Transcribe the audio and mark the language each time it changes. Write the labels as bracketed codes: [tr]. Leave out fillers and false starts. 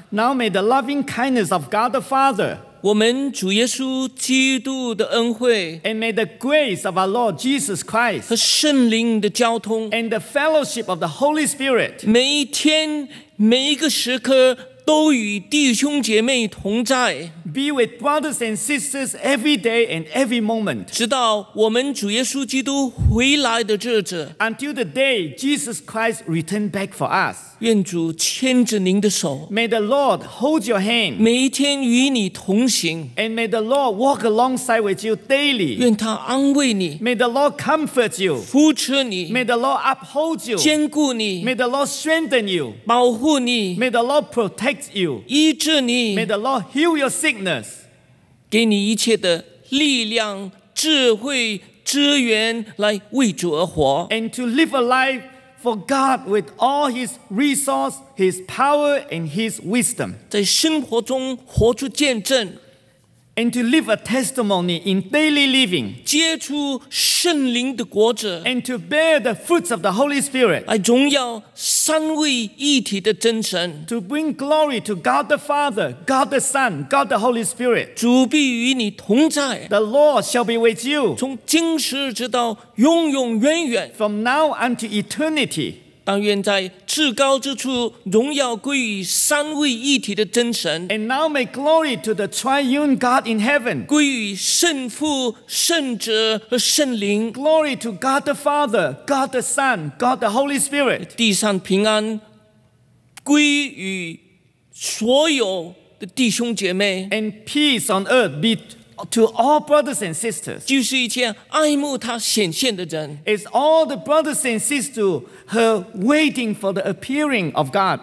[en] Now may the loving kindness of God the Father. [zh] 我们主耶稣基督的恩惠。 [en] And may the grace of our Lord Jesus Christ. [zh] 和圣灵的交通。 [en] And the fellowship of the Holy Spirit. [zh] 每一天，每一个时刻。都与弟兄姐妹同在。 [en] Be with brothers and sisters every day and every moment. [zh] 直到我们主耶稣基督回来的日子。 [en] Until the day Jesus Christ returned back for us. [zh] 愿主牵着您的手。 [en] May the Lord hold your hand. [zh] 每一天与你同行。 [en] And may the Lord walk alongside with you daily. [zh] 愿他安慰你。 [en] May the Lord comfort you. [zh] 扶持你。 [en] May the Lord uphold you. [zh] 坚固你。 [en] May the Lord strengthen you. [zh] 保护你。 [en] May the Lord protect you. You. [zh] 医治你 [en] May the Lord heal your sickness. [zh] 给你一切的力量、智慧、资源来为主而活 [en] And to live a life for God with all His resource, His power, and His wisdom. [zh] 在生活中活出见证 [en] And to live a testimony in daily living. [zh] 结出圣灵的果子 [en] And to bear the fruits of the Holy Spirit. [zh] 来荣耀三位一体的真神 [en] To bring glory to God the Father, God the Son, God the Holy Spirit. [zh] 主必与你同在 [en] The Lord shall be with you. [zh] 从今时直到永永远远 [en] From now unto eternity. [zh] 但愿在至高之处荣耀归于三位一体的真神 [en] And now may glory to the triune God in heaven. [zh] 归于圣父、圣子和圣灵 [en] Glory to God the Father, God the Son, God the Holy Spirit. [zh] 地上平安归于所有的弟兄姐妹 [en] And peace on earth be to all brothers and sisters. [zh] 就是一切爱慕他显现的人 [en] It's all the brothers and sisters who are waiting for the appearing of God.